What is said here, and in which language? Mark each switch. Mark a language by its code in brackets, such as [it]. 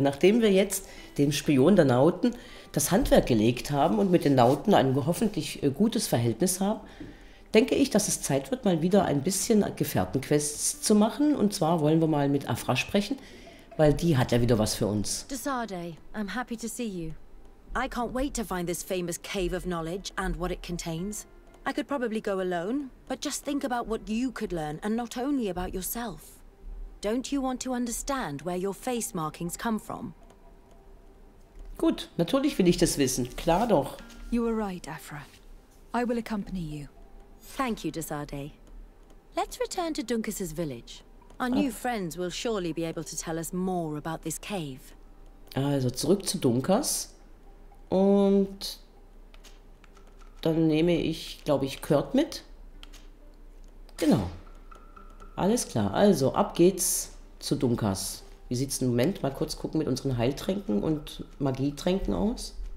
[de] Nachdem wir jetzt dem Spion der Nauten das Handwerk gelegt haben und mit den Nauten ein hoffentlich gutes Verhältnis haben, denke ich, dass es Zeit wird, mal wieder ein bisschen Gefährtenquests zu machen. Und zwar wollen wir mal mit Afra sprechen, weil die hat ja wieder was für uns. [en] Desarde, I'm happy to see you. I can't wait to find this famous cave of knowledge and what it contains. I could probably go alone, but just think about what you could learn, and not only about yourself. Don't you want to understand where your face markings come from? [de] Gut, natürlich will ich das wissen. Klar doch. [en] You are right, Afra. I will accompany you. Thank you, Desarde. Let's return to Dunkus's village. Our new friends will surely be able to tell us more about this cave. [de] Also zurück zu Dunkus und dann nehme ich, glaube ich, Kurt mit. Genau. Alles klar. Also, ab geht's zu Dunkus. Wie sieht's im Moment? Mal kurz gucken mit unseren Heiltränken und Magietränken aus.